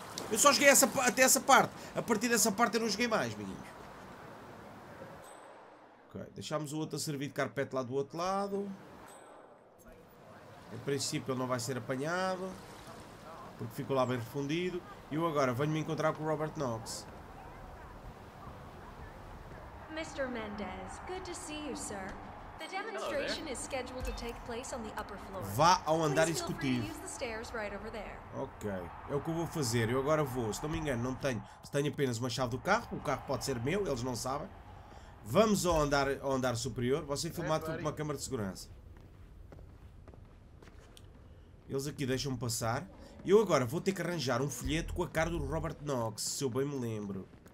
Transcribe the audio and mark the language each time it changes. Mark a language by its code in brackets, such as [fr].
[pt] Eu só joguei essa, até essa parte. A partir dessa parte eu não joguei mais, amiguinhos. Ok, deixámos o outro a servir de carpete lá do outro lado. Em princípio ele não vai ser apanhado. Porque ficou lá bem refundido. E eu agora venho-me encontrar com o Robert Knox. [en] Mr. Mendez, good to see you, sir. The demonstration is scheduled to take place on the upper floor. [pt] Vá ao andar executivo. Ok, é o que eu vou fazer. Eu agora vou, se não me engano, não tenho. Se tenho apenas uma chave do carro, o carro pode ser meu, eles não sabem. Vamos ao andar superior. Você filmar tudo com uma câmara de segurança. Eles aqui deixam-me passar. Eu agora vou ter que arranjar um folheto com a cara do Robert Knox, se eu bem me lembro.